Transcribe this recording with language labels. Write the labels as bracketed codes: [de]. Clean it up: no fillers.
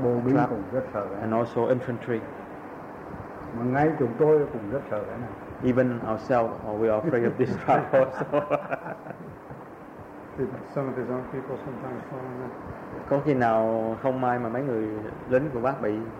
[vi] Bộ binh cũng rất sợ cái này. [en] And also infantry. [vi] Mà ngay chúng tôi cũng rất sợ cái này. [en] Even ourselves, or we are afraid of this trap also. Did some of his own people sometimes fall in that? [vi] Có khi nào không may mà mấy người lính của bác bị...